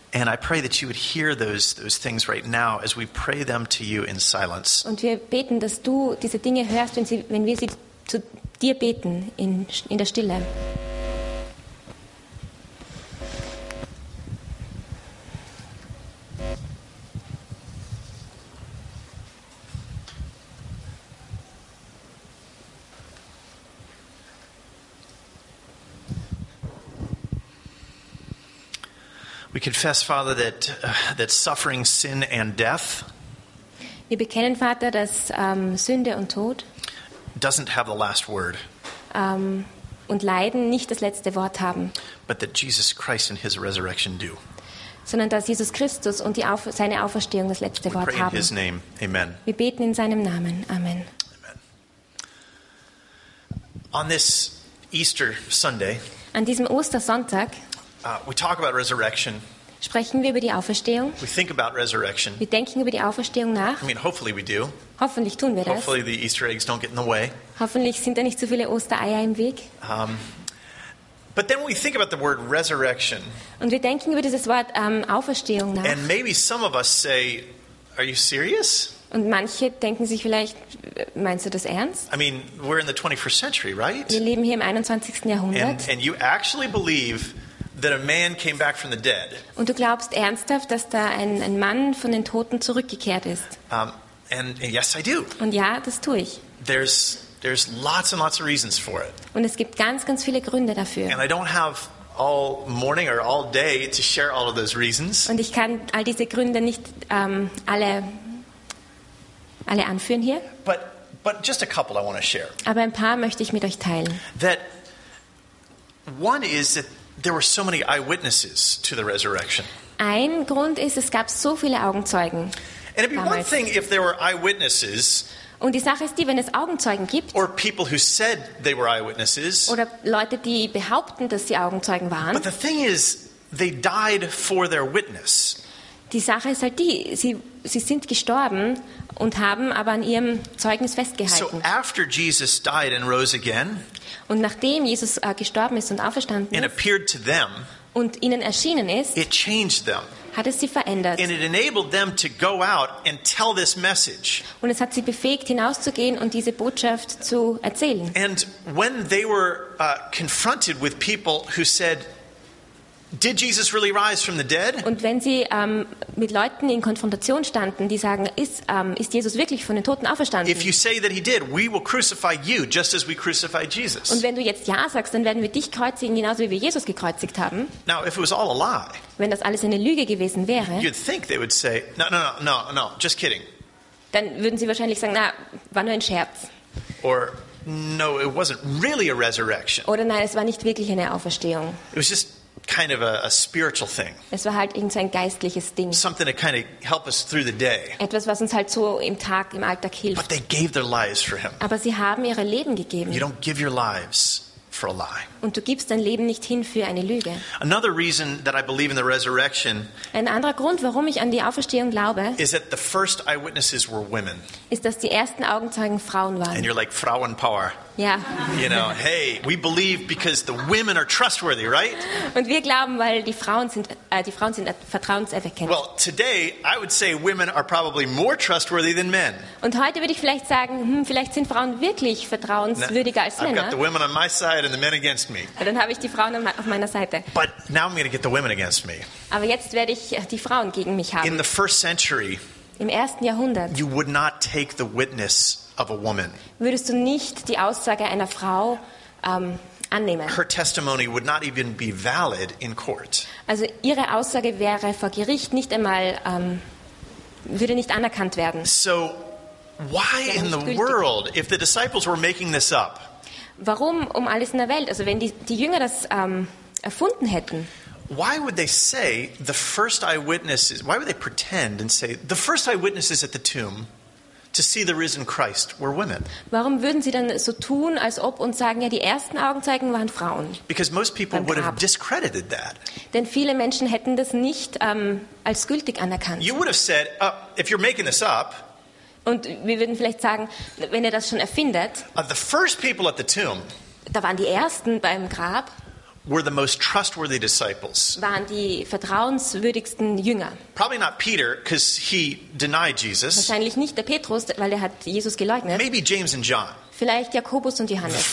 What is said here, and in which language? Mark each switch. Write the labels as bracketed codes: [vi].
[en] And I pray that you would hear those things right now as we pray them to you in silence. [de] Und wir beten, dass du diese Dinge hörst, wenn wir sie zu dir beten in der Stille. [en] We confess, Father, that that suffering, sin, and death. [de] Wir bekennen, Vater, dass Sünde und Tod [en] doesn't have the last word. [de] Und Leiden nicht das letzte Wort haben. [en] But that Jesus Christ and His resurrection do. [de] Sondern dass Jesus Christus und seine Auferstehung das letzte [en] We [de] Wort [en] pray [de] haben. [en] In His name. Amen. [de] Wir beten in seinem Namen. [en] Amen. Amen. On this Easter Sunday. [de] An diesem Ostersonntag. [en] We talk about resurrection. [de] Sprechen wir über die Auferstehung. [en] We think about resurrection. [de] Wir denken über die Auferstehung nach. [en] I mean, hopefully we do. [de] Hoffentlich tun wir das. [en] Hopefully the Easter eggs don't get in the way. [de] Hoffentlich sind da nicht zu viele Ostereier im Weg. [en] But then we think about the word resurrection. [de] Und wir denken über dieses Wort Auferstehung nach. [en] And maybe some of us say, "Are you serious?" [de] Und manche denken sich vielleicht, meinst du das ernst? [en] I mean, we're in the 21st century, right? [de] Wir leben hier im 21. Jahrhundert. [en] And you actually believe that a man came back from the dead. [de] Und du glaubst ernsthaft, dass da ein Mann von den Toten zurückgekehrt ist? [en] And yes, I do. [de] Und ja, das tue ich. [en] There's lots and lots of reasons for it. [de] Und es gibt ganz, ganz viele Gründe dafür. [en] And I don't have all morning or all day to share all of those reasons. [de] Und ich kann all diese Gründe nicht alle anführen hier. [en] But just a couple I want to share. [de] Aber ein paar möchte ich mit euch teilen. [en] That one is that there were so many eyewitnesses to the resurrection. [de] Ein Grund ist, es gab so viele Augenzeugen. [en] And it'd be one thing if there were eyewitnesses. [de] Und die Sache ist die, wenn es Augenzeugen gibt. [en] Or people who said they were eyewitnesses. [de] Oder Leute, die behaupten, dass sie Augenzeugen waren. [en] But the thing is, they died for their witness. [de] Die Sache ist halt die, sie sind gestorben und haben aber an ihrem Zeugnis festgehalten. [en] So after Jesus died and rose again. [de] Und nachdem Jesus gestorben ist und auferstanden ist [en] them, [de] und ihnen erschienen ist, [en] it changed them. [de] Hat es sie verändert. [en] And it enabled them to go out and tell this message. [de] Und es hat sie befähigt, hinauszugehen und diese Botschaft zu erzählen. [en] And when they were confronted with people who said, "Did Jesus really rise from the dead?" [de] Und wenn sie mit Leuten in Konfrontation standen, die sagen, ist Jesus wirklich von den Toten auferstanden? [en] If you say that he did, we will crucify you just as we crucified Jesus. [de] Und wenn du jetzt ja sagst, dann werden wir dich kreuzigen, genauso wie wir Jesus gekreuzigt haben. [en] Now, if it was all a lie, [de] wenn das alles eine Lüge gewesen wäre, [en] you'd think they would say, no, just kidding. [de] Dann würden sie wahrscheinlich sagen, na, war nur ein Scherz. [en] Or no, it wasn't really a resurrection. [de] Oder nein, es war nicht wirklich eine Auferstehung. [en] It was just kind of a spiritual thing. [de] Es war halt irgend so ein geistliches Ding. [en] Something to kind of help us through the day. [de] Etwas, was uns halt so im Tag, im Alltag hilft. [en] But they gave their lives for him. [de] Aber sie haben ihre Leben gegeben. [en] You don't give your lives for a lie. [de] Und du gibst dein Leben nicht hin für eine Lüge. [en] Another reason that I believe in the resurrection. [de] Ein anderer Grund, warum ich an die Auferstehung glaube. [en] Is that the first eyewitnesses were women. [de] Ist, dass die ersten Augenzeugen Frauen waren. [en] And you're like, Frauenpower. Yeah. You know, hey, we believe because the women are trustworthy, right? [de] Und wir glauben, weil die Frauen sind vertrauenserweckend. [en] Well, today I would say women are probably more trustworthy than men. [de] Und heute würde ich vielleicht sagen, vielleicht sind Frauen wirklich vertrauenswürdiger als Männer. [en] I've got the women on my side and the men against me. [de] Und dann habe ich die Frauen auf meiner Seite. [en] But now I'm going to get the women against me. [de] Aber jetzt werde ich die Frauen gegen mich haben. [en] In the first century, [de] im ersten Jahrhundert, [en] you would not take the witness of a woman. [de] Würdest du nicht die Aussage einer Frau annehmen? [en] Her testimony would not even be valid in court. [de] Also ihre Aussage wäre vor Gericht nicht einmal würde nicht anerkannt werden. [en] So why in the world, if the disciples were making this up? [de] Warum um alles in der Welt? Also wenn die Jünger das erfunden hätten. [en] Why would they say the first eyewitnesses? Why would they pretend and say the first eyewitnesses at the tomb? to see the risen Christ were women. [de] Warum würden sie dann so tun, als ob und sagen, ja, die ersten Augenzeugen waren Frauen? [en] Because most people would have discredited that. [de] Denn viele Menschen hätten das nicht als gültig anerkannt. [en] You would have said, if you're making this up. [de] Und wir würden vielleicht sagen, wenn ihr das schon erfindet. [en] The first people at the tomb. [de] Da waren die ersten beim Grab. [en] Were the most trustworthy disciples. [de] Waren die vertrauenswürdigsten Jünger. [en] Probably not Peter, because he denied Jesus. [de] Wahrscheinlich nicht der Petrus, weil er hat Jesus geleugnet. [en] Maybe James and John. [de] Vielleicht Jakobus und Johannes.